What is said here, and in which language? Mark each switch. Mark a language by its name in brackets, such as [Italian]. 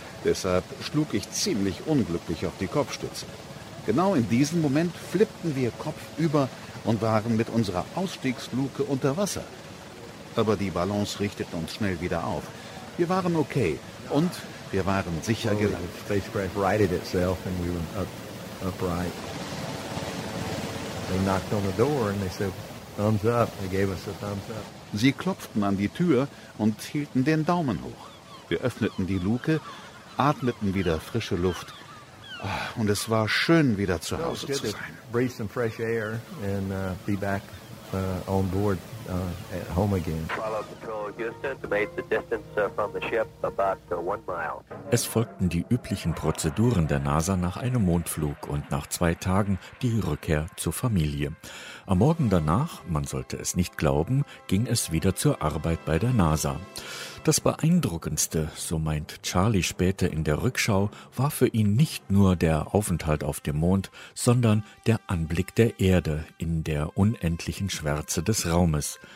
[German] Deshalb schlug ich ziemlich unglücklich auf die Kopfstütze. Genau in diesem Moment flippten wir kopfüber und waren mit unserer Ausstiegsluke unter Wasser. aber die Balance richtete uns schnell wieder auf. Wir waren okay und wir waren sicher gelandet. [English] The spacecraft righted itself and we were up, upright. They knocked on the door and they said, thumbs up. They gave us a thumbs up. [German] Sie klopften an die Tür und hielten den Daumen hoch. Wir öffneten die Luke, atmeten wieder frische Luft. Und es war schön, wieder zu Hause zu sein. [English] Breathe some fresh air and be back on board at home again. Follow control Houston to make the distance from the ship about 1 mile. [German] Es folgten die üblichen Prozeduren der NASA nach einem Mondflug und nach 2 Tagen die Rückkehr zur Familie. Am Morgen danach, man sollte es nicht glauben, ging es wieder zur Arbeit bei der NASA. Das Beeindruckendste, so meint Charlie später in der Rückschau, war für ihn nicht nur der Aufenthalt auf dem Mond, sondern der Anblick der Erde in der unendlichen Schwärze des Raumes.